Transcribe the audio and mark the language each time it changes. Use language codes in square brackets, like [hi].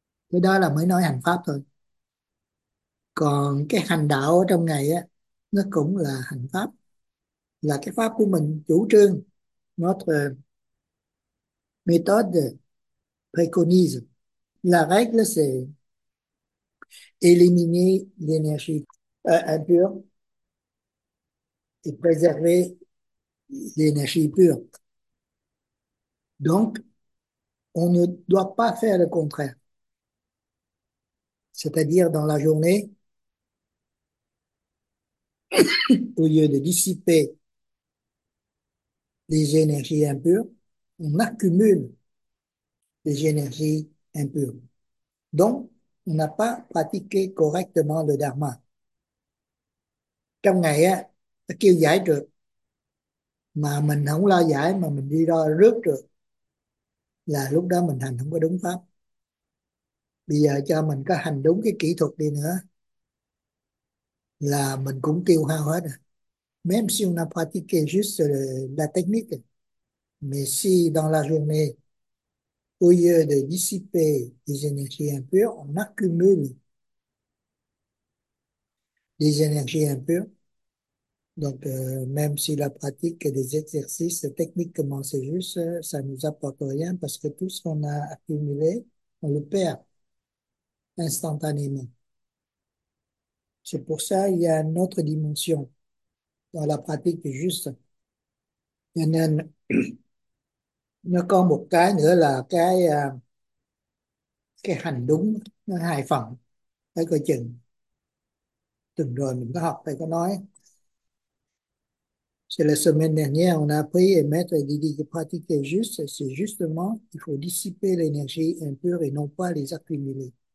[vi] Cái đó là mới nói hành pháp thôi. Còn cái hành đạo ở trong ngày á, nó cũng là hành pháp. Là cái pháp của mình chủ trương, [fr] notre méthode préconise. La règle, c'est éliminer l'énergie impure et préserver l'énergie pure. Donc, on ne doit pas faire le contraire. C'est-à-dire dans la journée, au lieu de dissiper les énergies impures, on accumule les énergies impures. Donc, on n'a pas pratiqué correctement le dharma. [vi] Trong ngày á, ta kêu giải trượt, mà mình không lo giải mà mình đi đo rước trượt, là lúc đó mình hành không có đúng pháp. Bây giờ cho mình có hành đúng cái kỹ thuật đi nữa là mình cũng tiêu hao hết rồi. [fr] Même si on a pratiqué juste la technique, mais si dans la journée, au lieu de dissiper des énergies impures, on accumule des énergies impures. Donc, même si la pratique des exercices, techniquement, c'est juste, ça ne nous apporte rien parce que tout ce qu'on a accumulé, on le perd instantanément. C'est pour ça qu'il y a une autre dimension dans la pratique juste. [vi] Nó có một cái nữa là cái hành đúng, nó hai phần. Thấy coi chừng tuần rồi mình có học thầy có nói [fr] c'est la semaine dernière on a appris et maître a dit que pratiquer juste c'est justement il faut dissiper l'énergie impure et non pas les accumuler.